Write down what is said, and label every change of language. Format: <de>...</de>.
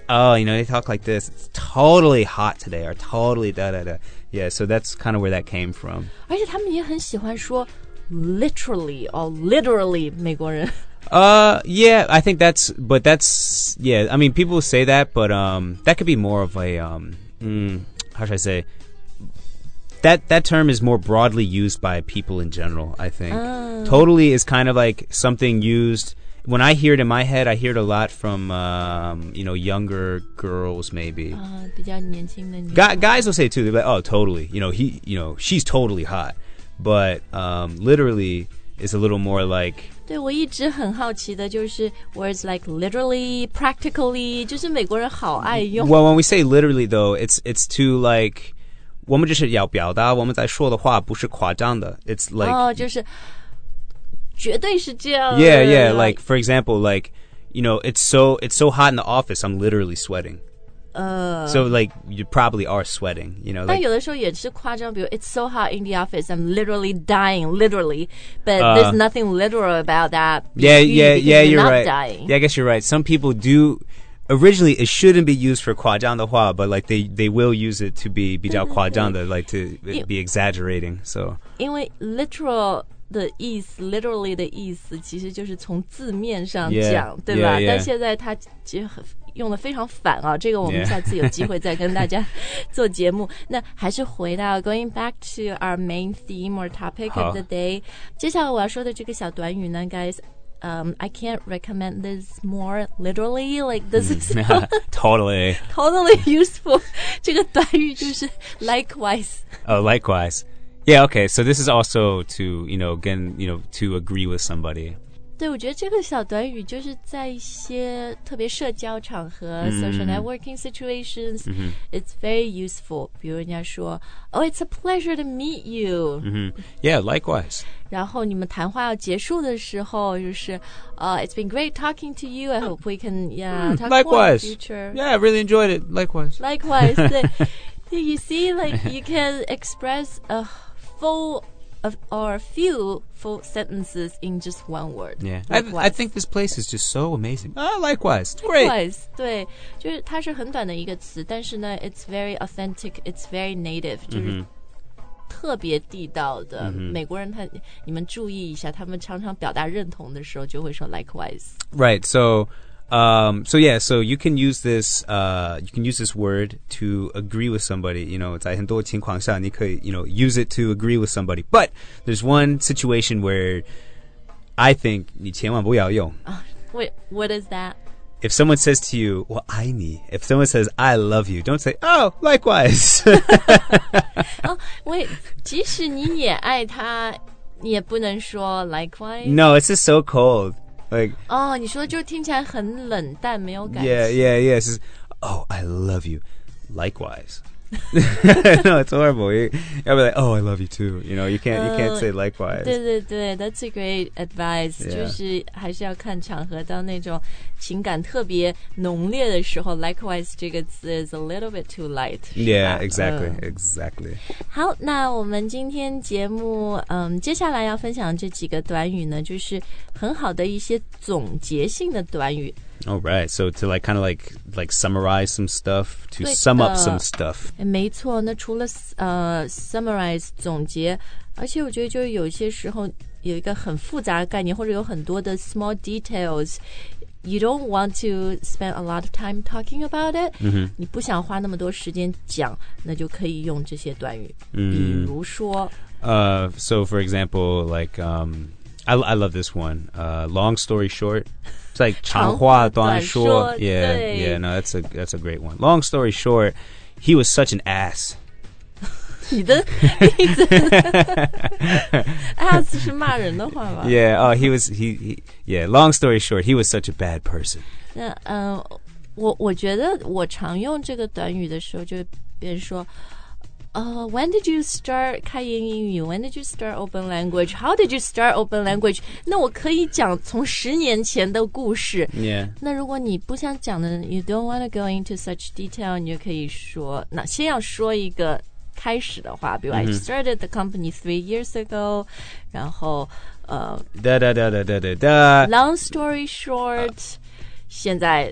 <en>Oh, you know, they talk like this. It's totally hot today or totally da-da-da. Yeah, so that's kind of where that came from.</en> <zh>而且他们也很喜欢说</zh> <en>literally or literally</en> <zh>美国人。</zh> <en>Yeah, I think that's, but that's, yeah, I mean, people say that, but that could be more of a, how should I say? That term is more broadly used by people in general, I think. Totally is kind of like something used... When I hear it in my head, I hear it a lot from, you know, younger girls, maybe.</en> <zh>比较年轻的女孩。</zh> <en>Guys will say it too. They're like, oh, totally. You know, she's totally hot. But, literally, it's a little more like...</en> <zh>对,我一直很好奇的就是</zh> <en>words like literally, practically,</en> <zh>就是美国人好爱用。</zh> <en>Well, when we say literally, though, it's too, like,</en> <zh>我们就是要表达我们在说的话不是夸张的。</zh> <en>It's like...</en> <zh>就是绝对是这样的</zh> <en>Yeah, yeah, like, for example, like, you know, it's so hot in the office, I'm literally sweating. So, like, you probably are sweating, you know. Like,</en> <zh>但有的时候也是夸张比如</zh> <en>it's so hot in the office, I'm literally dying, literally. But there's nothing literal about that. Yeah, you're right. Dying. Yeah, I guess you're right. Some people do, originally, it shouldn't be used for</en> <zh>夸张的话,</zh> <en>but, like, they will use it to be</en> <zh>较夸张的,</zh> <en>like, to be exaggerating, so.</en> <zh>因为 literal... 的意思 literally 的意思其实就是从字面上讲</zh> <en>yeah,</en> <zh>对吧</zh> <en>yeah, yeah.</en> <zh>但现在他用的非常反啊这个我们下次有机会再跟大家做节目、</zh> <en>yeah.</en> <zh>那还是回到</zh> <en>going back to our main theme or topic of the day</en> <zh>接下来我要说的这个小短语呢</zh> <en>guys、I can't recommend this more literally like this is totally</en> <zh>useful 这个短语就是 likewise</zh> <en>oh likewiseYeah, okay, so this is also to, you know, again, you know, to agree with somebody.</en> <zh>对,我觉得这个小短语就是在一些特别社交场合</zh> <en>social networking situations, it's very useful.</en> <zh>比如人家说,</zh> <en>oh, it's a pleasure to meet you. Yeah, likewise.</en> <zh>然后你们谈话要结束的时候就是,</zh> <en>it's been great talking to you. I hope we can, talk more in the future. Yeah, I really enjoyed it. Likewise,</en> <zh>对。</zh> <en>You see, like, you can express a full of, or a few full sentences in just one word. Yeah, I think this place is just so amazing. Likewise, it's great.</en> <zh>Likewise, 对，就是它是很短的一个词，但是呢</zh> <en>it's very authentic, it's very native,</en> <zh>就是特别地道的。美国人他，你们注意一下，他们常常表达认同的时候就会说 likewise.</zh> <en>Right, so... so yeah, so you can use this, you can use this word to agree with somebody, you know,</en> <zh>在很多情况下你可以,</zh> <en>you know, use it to agree with somebody. But there's one situation where I think</en> <zh>你千万不要用.</zh> <en>What is that? If someone says to you,</en> <zh>我爱你,</zh> <en>if someone says, I love you, don't say, oh, likewise.</en> <zh>Oh, wait, 即使你也爱他, 你也不能说 likewise?</zh> <en>No, it's just so cold. Like,</en> <zh>oh, 你说的就听起来很冷淡没有感情</zh> <en>Yeah, it's just, Oh, I love you Likewise No, it's horrible I'll be like, oh, I love you too You know, you can't say likewise</en> <zh>对对对</zh> <en>That's a great advice、 yeah.</en> <zh>就是还是要看场合到那种情感特别浓烈的时候 Likewise 这个词</zh> <en>is a little bit too light Yeah, exactly</en> <zh>好那我们今天节目、接下来要分享这几个短语呢就是很好的一些总结性的短语</zh> <en>All right, so to like kind of like summarize some stuff, to sum up some stuff.</en> <zh>没错，那除了summarize 总结，而且我觉得就是有些时候有一个很复杂的概念，或者有很多的 small details,</zh> <en>you don't want to spend a lot of time talking about it.、 Mm-hmm.</en> <zh>你不想花那么多时间讲，那就可以用这些短语。 Mm-hmm. 比如说</zh> <en>So for example, like, I love this one. Long story short. Like</en> <zh>长话短说</zh> <en>yeah, yeah, no, that's a great one. Long story short, he was such an ass.</en> <zh>你的意思 ass 是骂人的话吗</zh> <en>Yeah, he long story short, he was such a bad person.</en> <zh>那我觉得我常用这个短语的时候，就别人说when did you start 开言英语</zh> <en>When did you start open language? How did you start open language?</en> <zh>那我可以讲从十年前的故事</zh> <en>Yeah</en> <zh>那如果你不想讲的</zh> <en>You don't want to go into such detail</en> <zh>你就可以说那先要说一个开始的话比如、mm-hmm.</zh> <en>I started the company 3 years ago</en> <zh>然后 da da da da da da da</zh> <en>Long story short、</en> <zh>现在</zh>